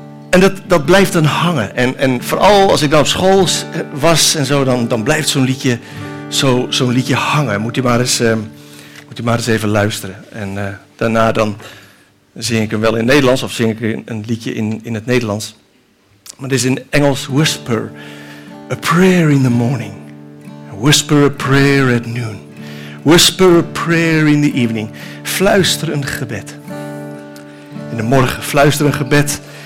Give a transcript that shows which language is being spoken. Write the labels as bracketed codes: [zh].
[nl] En dat blijft dan hangen. En vooral als ik dan op school was en zo, dan blijft zo'n liedje hangen. Moet je maar eens even luisteren. En daarna dan zing ik hem wel in het Nederlands of zing ik een liedje in het Nederlands. Maar het is in Engels, [en] whisper a prayer in the morning. Whisper a prayer at noon. Whisper a prayer in the evening. [nl] Fluister een gebed. In de morgen fluister een gebed.